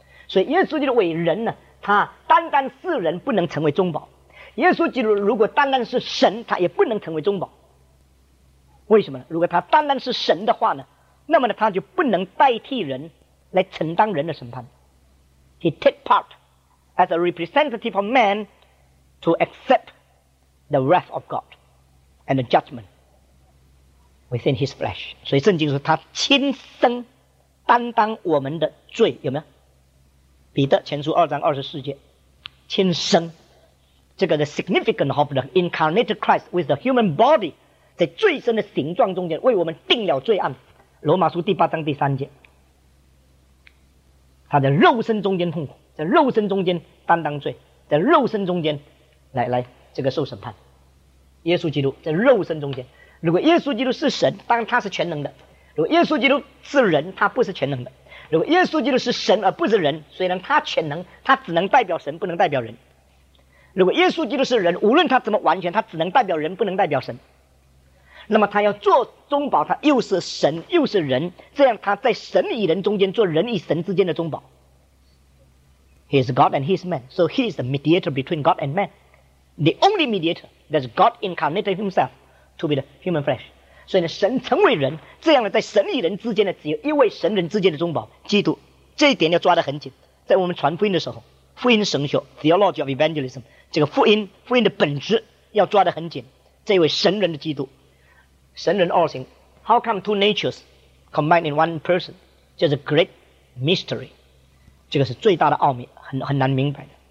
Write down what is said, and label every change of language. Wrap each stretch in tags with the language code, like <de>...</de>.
<zh>所以耶稣基督为人呢，他单单是人不能成为中保。耶稣基督如果单单是神，他也不能成为中保。为什么呢？如果他单单是神的话呢，那么呢他就不能代替人来承担人的审判。</zh> <en>He take part as a representative of man to accept the wrath of God and the judgmentwithin his flesh。</en> <zh>所以圣经说他亲身担当我们的罪，有没有？彼得前书二章二十四节，亲身，这个 the significance of the incarnated Christ with the human body，在罪身的形状中间为我们定了罪案，罗马书第八章第三节，他在肉身中间痛苦，在肉身中间担当罪，在肉身中间来这个受审判。耶稣基督在肉身中间，如果耶稣基督是神，当然他是全能的。如果耶稣基督是人，他不是全能的。如果耶稣基督是神而不是人，虽然他全能，他只能代表神不能代表人。如果耶稣基督是人，无论他怎么完全，他只能代表人不能代表神。那么他要做中保，他又是神又是人，这样他在神与人中间做人与神之间的中保。</zh> <en>He is God and he is man， So he is the mediator between God and man， The only mediator that's God incarnated himselfto be the human flesh。</en> <zh>所以呢，神成为人，这样呢，在神与人之间呢，只有一位神人之间的中保，基督。这一点要抓得很紧。在我们传福音的时候，福音神学 Theology of Evangelism，这个福音的本质要抓得很紧。这位神人的基督，神人二行， How come two natures combined in one person，这是 great mystery，这个是最大的奥秘， 很难明白的。</zh>